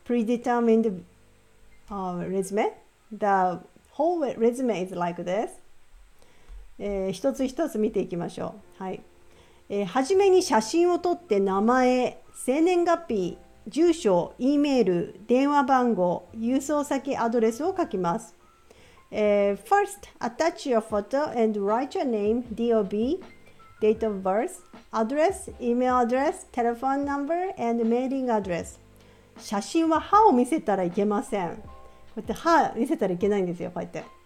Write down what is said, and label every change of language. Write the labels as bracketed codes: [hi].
[en] Predetermined. Resume. The whole resume is like this. [ja] 一つ一つ見ていきましょう。はい。はじめに写真を撮って名前、生年月日、住所、E メール、電話番号、郵送先、アドレスを書きます。 [en] First, attach your photo and write your name, DOB, date of birth, address, email address, telephone number, and mailing address. [ja] 写真は歯を見せたらいけません。こうやって歯見せたらいけないんですよ、こうやって。